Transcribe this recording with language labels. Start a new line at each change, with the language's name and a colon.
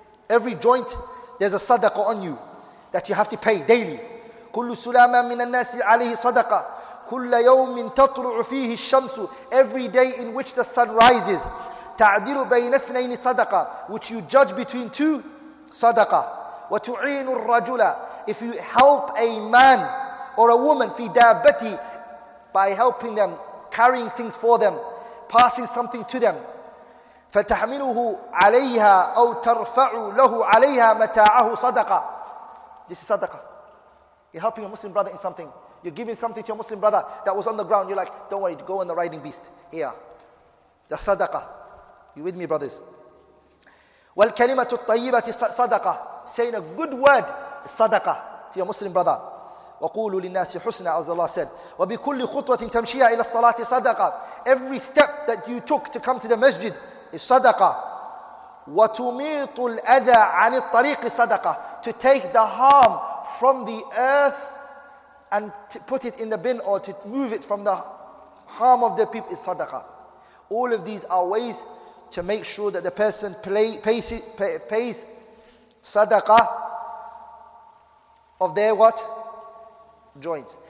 English: Every joint, there's a صدقة on you that you have to pay daily.
Arabic: كل سلامة من الناس عليه صدقة.
English: كل يوم تطلع فيه الشمس. Every day in which the sun rises.
Arabic: تعدل بين اثنين صدقة, which you judge between two, صدقة.
English: وتعين الرجل, if you help a man or a woman في دابته, by helping them, carrying things for them, passing something to them.
Arabic: فتحمله عليها أو ترفع له عليها متاعه صدقة.
English: This is صدقة. You're helping your Muslim brother in something. You're giving something to your Muslim brother that was on the ground. You're like, don't worry, go on the riding beast. Here. The صدقة. You with me, brothers?
Arabic: والكلمة الطيبة صدقة.
English: Saying a good word, صدقة, to your Muslim brother.
Arabic: وقولوا للناس حسنا, as Allah said. وبكل خطوة تمشيها إلى الصلاة صدقة.
English: Every step that you took to come to the masjid is صدقة.
Arabic: وتميط الأذى عن الطريق صدقة.
English: To take the harm from the earth and to put it in the bin, or to move it from the harm of the people, is صدقة. All of these are ways to make sure that the person pays صدقة of their what? Joints.